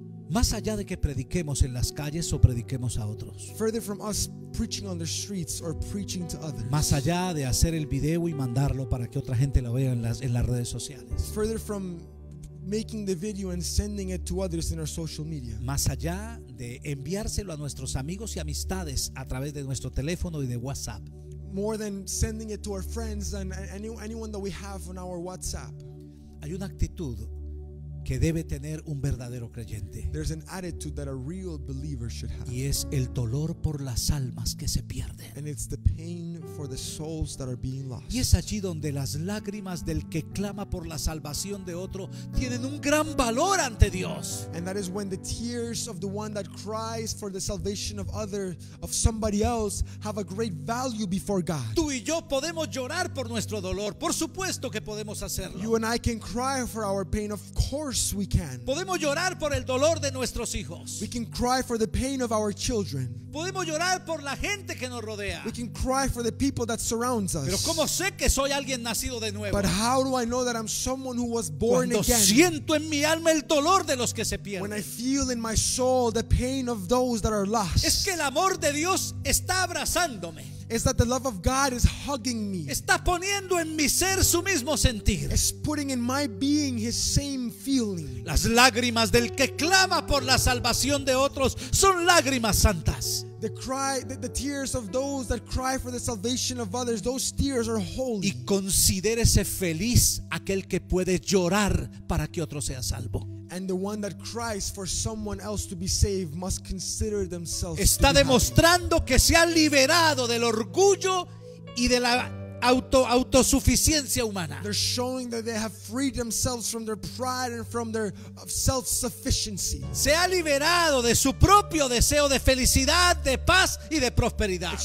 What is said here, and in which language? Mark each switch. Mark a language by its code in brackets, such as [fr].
[es] Más allá de que prediquemos en las calles o prediquemos a otros. [en] Further from us preaching on the streets or preaching to others. [es] Más allá de hacer el video y mandarlo para que otra gente lo vea en las redes sociales. [en] Further from making the video and sending it to others in our social media. [es] Más allá de enviárselo a nuestros amigos y amistades a través de nuestro teléfono y de WhatsApp. [en] More than sending it to our friends and anyone that we have on our WhatsApp. [es] Hay una actitud que debe tener un verdadero creyente. [en] There's an attitude that a real believer should have. [es] Y es el dolor por las almas que se pierden. [en] And it's the pain for the souls that are being lost. [es] Y es allí donde las lágrimas del que clama por la salvación de otro tienen un gran valor ante Dios. [en] And that is when the tears of the one that cries for the salvation of somebody else have a great value before God. [es] Tú y yo podemos llorar por nuestro dolor, por supuesto que podemos hacerlo. [en] You and I can cry for our pain, of course. We can. [es] Podemos llorar por el dolor de nuestros hijos. [en] We can cry for the pain of our children. [es] Podemos llorar por la gente que nos rodea. [en] We can cry for the people that surrounds us. [es] Pero ¿cómo sé que soy alguien nacido de nuevo? [en] But how do I know that I'm someone who was born [es] cuando [en] again? [es] Siento en mi alma el dolor de los que se pierden. [en] When I feel in my soul the pain of those that are lost. [es] Es que el amor de Dios está abrazándome. [en] Is that the love of God is hugging me. [es] Está poniendo en mi ser su mismo sentir. [en] Is putting in my being his same feeling. [es] Las lágrimas del que clama por la salvación de otros son lágrimas santas. [en] The tears of those that cry for the salvation of others, those tears are holy. [es] Y considérese feliz aquel que puede llorar para que otro sea salvo. [en] And the one that cries for someone else to be saved must consider themselves. [es] Está demostrando que se ha liberado del orgullo y de la autosuficiencia humana. [en] They're showing that they have freed themselves from their pride and from their self-sufficiency. [es] Se ha liberado de su propio deseo de felicidad, de paz y de prosperidad.